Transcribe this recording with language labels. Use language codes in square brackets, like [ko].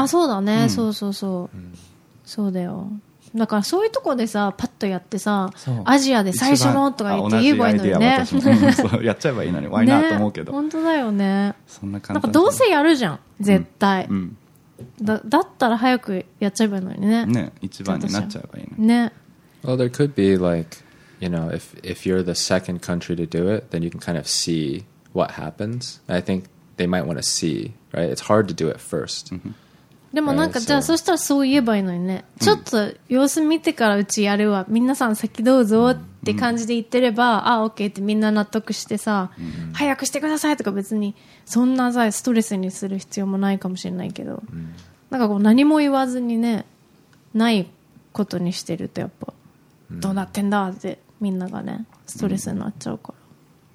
[ja] あ、そうだね、そうそうそう、そうだよ。だからそういうとこでさパッとやってさアジアで最初のとか言って言えばいいのにねやっちゃえばいいのに [en] Why not、 [ja] ね、と思うけど本当だよねそんな感じなんかどうせやるじゃん絶対、だったら早くやっちゃえばいいのにね一番になっちゃえばいいのにね [en] Well there could be like you know if you're the second country to do it then you can kind of see what happens I think they might want to see right it's hard to do it first、 [ja] でもなんかじゃあそしたらそう言えばいいのにね、ちょっと様子見てからうちやるわ、皆さん先どうぞって感じで言ってれば、あ、OK ってみんな納得してさ、早くしてくださいとか別にそんなさストレスにする必要もないかもしれないけど、なんかこう何も言わずにね、ないことにしてるとやっぱどうなってんだってみんながねストレスになっちゃうから、